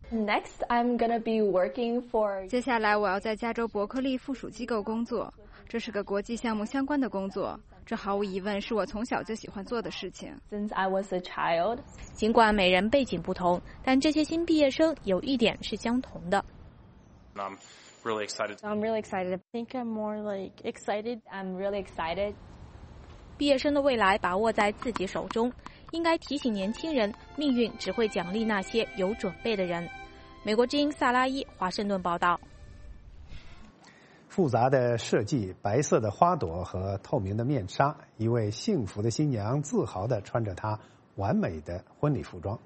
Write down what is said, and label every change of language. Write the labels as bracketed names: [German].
[English] Next, I'm gonna be working for... [Chinese] 接下来我要在加州伯克利附属机构工作，这是个国际项目相关的工作，这毫无疑问是我从小就喜欢做的事情。 [English] Since I was a child, [Chinese] 尽管每人背景不同，但这些新毕业生有一点是相同的。 [English] I'm really excited. I think I'm more like excited. I'm really excited. [Chinese] 毕业生的未来把握在自己手中，应该提醒年轻人，命运只会奖励那些有准备的人。美国之音萨拉伊，华盛顿报道。复杂的设计，白色的花朵和透明的面纱，一位幸福的新娘自豪地穿着她完美的婚礼服装。